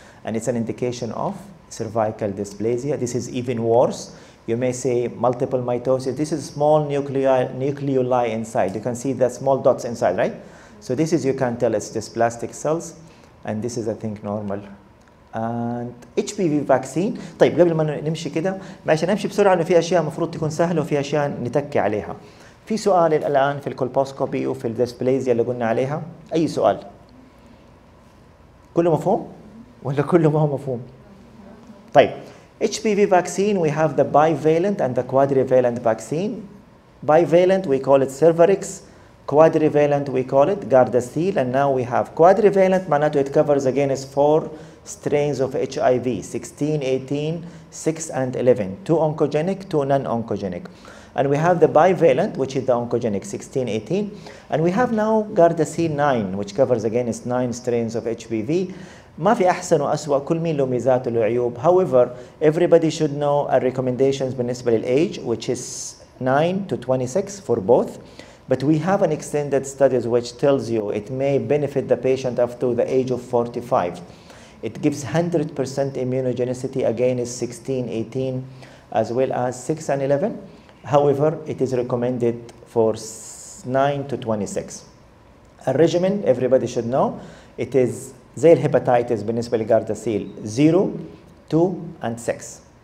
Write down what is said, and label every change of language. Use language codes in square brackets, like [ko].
[en] And it's an indication of cervical dysplasia. This is even worse. You may say multiple mitosis. This is small nucleoli inside. You can see the small dots inside, right? So this is, you can tell it's dysplastic cells. And this is, I think, normal. And HPV vaccine. [ar] طيب, قبل ما نمشي كده, ما عشان نمشي بسرعة, في أشياء مفروض تكون سهلة وفي أشياء نتكي عليها. في سؤال الآن في الكولبوسكوبي وفي الديسبليزيا اللي قلنا عليها, أي سؤال؟ كله مفهوم؟ ولا كله ما هو مفهوم؟ طيب, [en] HPV vaccine, we have the bivalent and the quadrivalent vaccine. Bivalent, we call it Cervarix. Quadrivalent, we call it Gardasil. And now we have quadrivalent, [ar] معناته [en] it covers again is four strains of HIV, 16, 18, 6 and 11. Two oncogenic, two non-oncogenic. And we have the bivalent, which is the oncogenic 16, 18. And we have now Gardasil 9, which covers again its 9 strains of HPV. [ar] ما في أحسن وأسوأ, كل مين له ميزات له عيوب. [en] However, everybody should know our recommendations [ar] بالنسبة للage, [en] which is 9 to 26 for both. But we have an extended study which tells you it may benefit the patient up to the age of 45. It gives 100% immunogenicity again is 16, 18, as well as 6 and 11. However, it is recommended for 9 to 26. A regimen, everybody should know, it is [ar] زي الهيباتيتس بالنسبة لغارداسيل [en] 0, 2 and 6.